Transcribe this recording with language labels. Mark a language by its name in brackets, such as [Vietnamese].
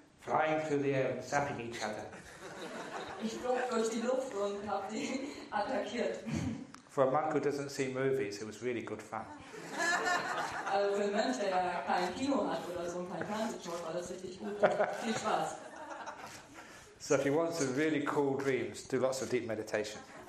[English] Flying through the air and zapping each other. [German] Ich flog durch die Luft und habe die attackiert. [English] For a monk who doesn't see movies, it was really good fun. Also [German] für einen Mensch, der kein Kino hat oder so und kein Fernsehen schaut, war das richtig gut. Viel Spaß. [English] So if you want some really cool dreams, do lots of deep meditation.